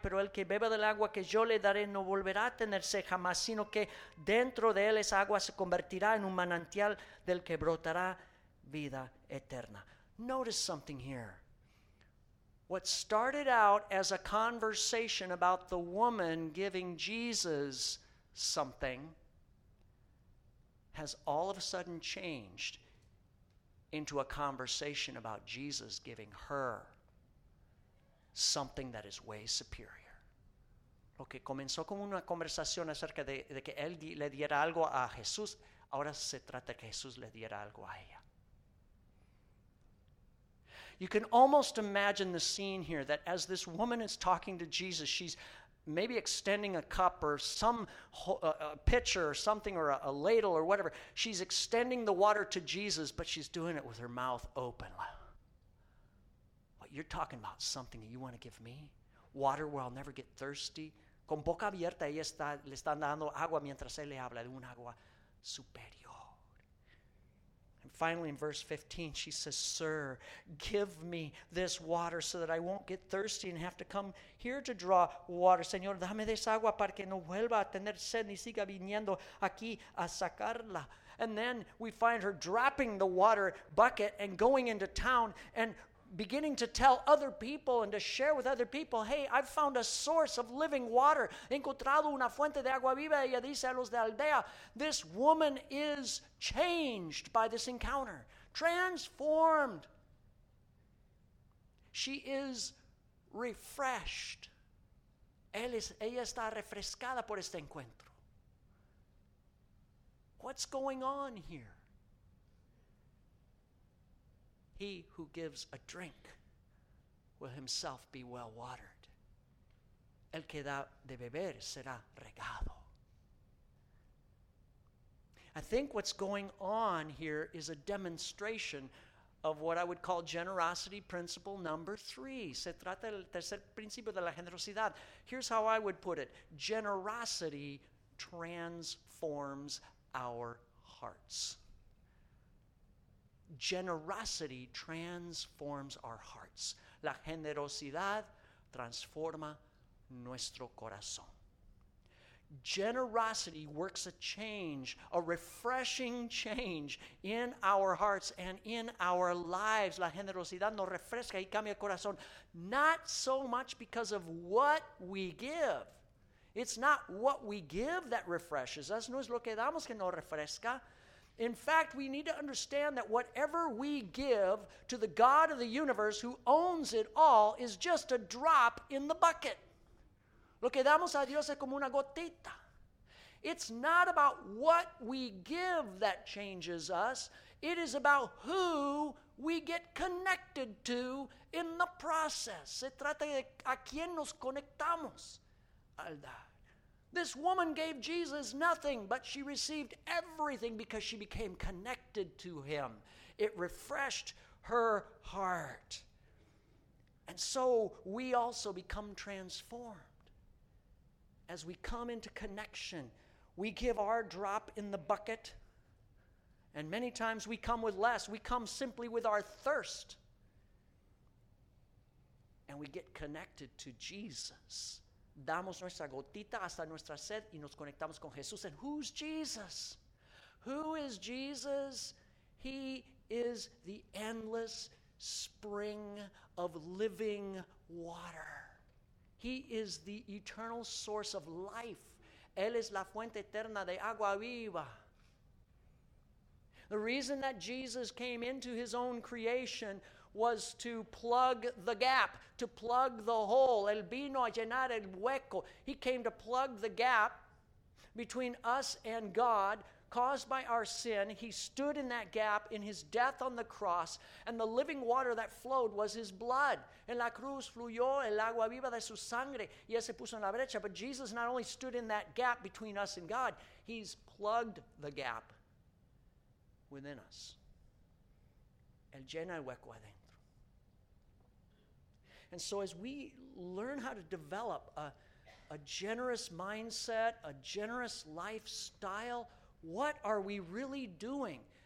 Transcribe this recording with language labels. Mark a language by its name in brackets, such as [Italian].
[Spanish] Pero el que beba del agua que yo le daré no volverá a tener sed jamás, sino que dentro de él esa agua se convertirá en un manantial del que brotará vida eterna. [English] Notice something here. What started out as a conversation about the woman giving Jesus something has all of a sudden changed into a conversation about Jesus giving her something that is way superior. [Spanish] Lo que comenzó como una conversación acerca de que él le diera algo a Jesús, ahora se trata que Jesús le diera algo a ella. [English] You can almost imagine the scene here that as this woman is talking to Jesus, she's maybe extending a cup or some pitcher or something or a ladle or whatever. She's extending the water to Jesus, but she's doing it with her mouth open. What, you're talking about something that you want to give me? Water where I'll never get thirsty? [Spanish] Con boca abierta, ella está, le están dando agua mientras él le habla de un agua superior. [English] And finally, in verse 15, she says, "Sir, give me this water so that I won't get thirsty and have to come here to draw water. [Spanish] Señor, dame de esa agua para que no vuelva a tener sed ni siga viniendo aquí a sacarla." [English] And then we find her dropping the water bucket and going into town and beginning to tell other people and to share with other people, "Hey, I've found a source of living water. [Spanish] He encontrado una fuente de agua viva." Ella dice a los de aldea. [English] This woman is changed by this encounter, transformed. She is refreshed. [Spanish] Ella está refrescada por este encuentro. [English] What's going on here? He who gives a drink will himself be well watered. [Spanish] El que da de beber será regado. [English] I think what's going on here is a demonstration of what I would call generosity principle number 3. [Spanish] Se trata del tercer principio de la generosidad. [English] Here's how I would put it. Generosity transforms our hearts. Generosity transforms our hearts. [Spanish] La generosidad transforma nuestro corazón. [English] Generosity works a change, a refreshing change in our hearts and in our lives. [Spanish] La generosidad nos refresca y cambia el corazón. [English] Not so much because of what we give. It's not what we give that refreshes us. [Spanish] No es lo que damos que nos refresca. [English] In fact, we need to understand that whatever we give to the God of the universe who owns it all is just a drop in the bucket. [Spanish] Lo que damos a Dios es como una gotita. [English] It's not about what we give that changes us. It is about who we get connected to in the process. [Spanish] Se trata de a quién nos conectamos al dar. [English] This woman gave Jesus nothing, but she received everything because she became connected to him. It refreshed her heart. And so we also become transformed. As we come into connection, we give our drop in the bucket, and many times we come with less. We come simply with our thirst. And we get connected to Jesus. [Spanish] Damos nuestra gotita hasta nuestra sed y nos conectamos con Jesús. [English] And who's Jesus? Who is Jesus? He is the endless spring of living water. He is the eternal source of life. [Spanish] Él es la fuente eterna de agua viva. [English] The reason that Jesus came into his own creation was to plug the gap, to plug the hole. [Spanish] El vino a llenar el hueco. [English] He came to plug the gap between us and God caused by our sin. He stood in that gap in his death on the cross, and the living water that flowed was his blood. [Spanish] En la cruz fluyó el agua viva de su sangre y se puso en la brecha. [English] But Jesus not only stood in that gap between us and God, he's plugged the gap within us. [Spanish] El llena el hueco adentro. [English] And so as we learn how to develop a, a generous mindset, a generous lifestyle, what are we really doing?